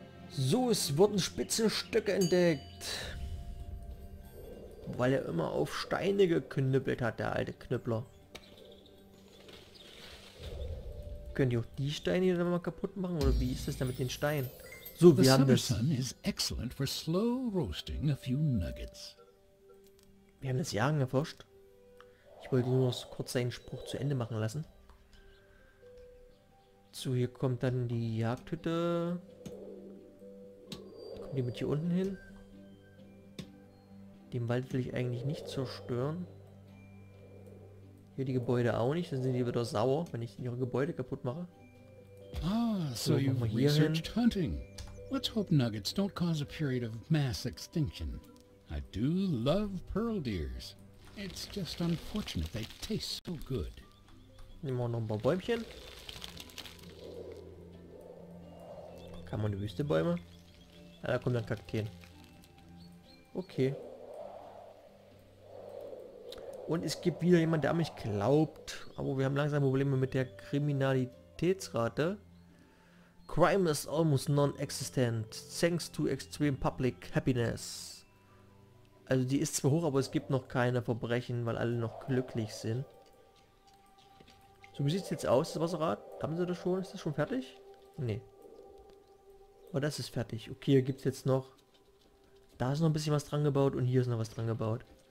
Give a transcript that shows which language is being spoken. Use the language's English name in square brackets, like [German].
[German] So, es wurden Spitzenstücke entdeckt. Weil er immer auf Steine geknüppelt hat, der alte Knüppler. Könnt ihr auch die Steine hier dann mal kaputt machen? Oder wie ist das denn mit den Steinen? So, wir haben das. [English] Sun is excellent for slow roasting a few nuggets. [German] Wir haben das Jagen erforscht. Ich wollte nur noch kurz seinen Spruch zu Ende machen lassen. So, hier kommt dann die Jagdhütte. Die mit hier unten hin. Den Wald will ich eigentlich nicht zerstören. Hier die Gebäude auch nicht. Dann sind die wieder sauer, wenn ich ihre Gebäude kaputt mache. [English] Ah, so you've researched hunting. Let's hope nuggets don't cause a period of mass extinction. I do love pearl deers. It's just unfortunate they taste so good. [German] Nehmen wir noch ein paar Bäumchen. Kann man die Wüste Bäume? Ah, da kommt dann Kakteen. Okay. Und es gibt wieder jemand, der an mich glaubt. Aber wir haben langsam Probleme mit der Kriminalitätsrate. [English] Crime is almost non-existent. Thanks to extreme public happiness. [German] Also die ist zwar hoch, aber es gibt noch keine Verbrechen, weil alle noch glücklich sind. So, wie sieht es jetzt aus, das Wasserrad? Haben sie das schon? Ist das schon fertig? Nee. Oh, das ist fertig. Okay, hier gibt es jetzt noch... Da ist noch ein bisschen was dran gebaut und hier ist noch was dran gebaut.